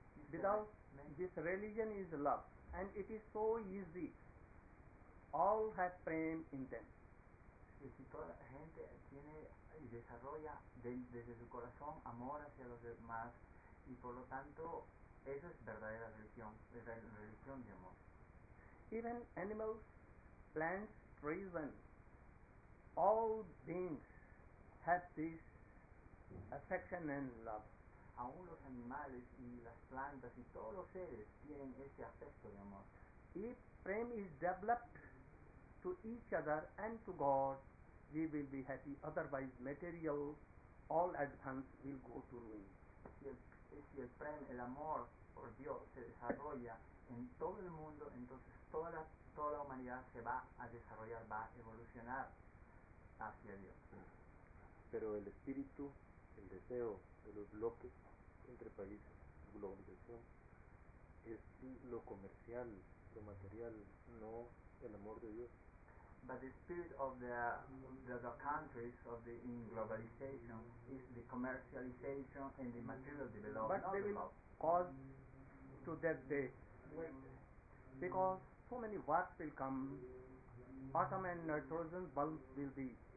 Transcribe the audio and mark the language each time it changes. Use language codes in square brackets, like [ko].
[en] Without this religion is love, and it is so easy. All have pain in them. [es] Y si toda la gente tiene y desarrolla desde su corazón amor hacia los demás, y por lo tanto eso es verdadera religión, es la religión de amor. [en] Even animals, plants, trees, and all beings have this affection and love. [es] Aún los animales y las plantas y todos los seres tienen ese afecto de amor. [en] If prem is developed to each other and to God, we will be happy. Otherwise, material, all advance will go to ruin. [es] Si el prem, el amor por Dios, se desarrolla en todo el mundo, entonces toda la humanidad se va a desarrollar, va a evolucionar hacia Dios. Pero el espíritu, el deseo de los bloques entre países, globalización, es lo comercial, lo material, no el amor de Dios. [en] But the spirit of the countries of the in globalization is the commercialization and the material development. But they will cause to that day, because so many wars will come, atom and nitrogen bombs will be